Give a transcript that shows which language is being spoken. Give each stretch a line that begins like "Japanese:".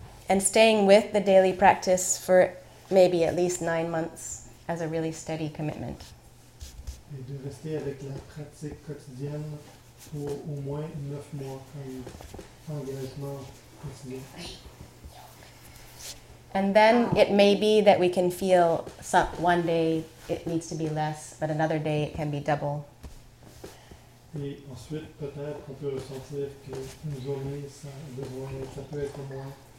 English: And staying with the daily practice for maybe at least 9 months as a really steady commitment.
French: Et de rester avec la pratique quotidienne pour au moins 9 mois comme engagement quotidien.
English: And then it may be that we can feel some, one day it needs to be less, but another day it can be double.
French: Et ensuite peut-être qu'on peut ressentir qu'une journée ça, devrait, ça peut être moins.